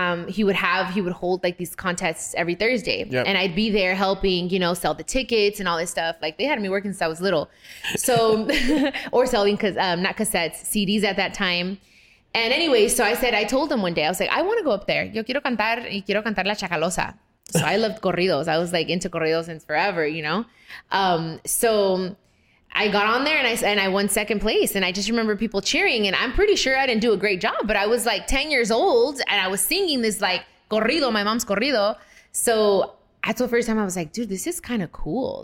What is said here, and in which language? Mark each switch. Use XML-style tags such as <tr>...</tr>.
<en>He would hold like these contests every Thursday. Yep. And I'd be there helping, you know, sell the tickets and all this stuff. Like they had me working since I was little. So, or selling, not cassettes, CDs at that time. And anyway, so I said, I told him one day, I was like, I want to go up there.</en> <es>Yo quiero cantar y quiero cantar la chacalosa.</es> <en>So I loved corridos. I was like into corridos since forever, you know? So I got on there and I won second place. And I just remember people cheering. And I'm pretty sure I didn't do a great job. But I was like 10 years old and I was singing this like corrido, my mom's corrido. So that's the first time I was like, dude, this is kind of cool.</en>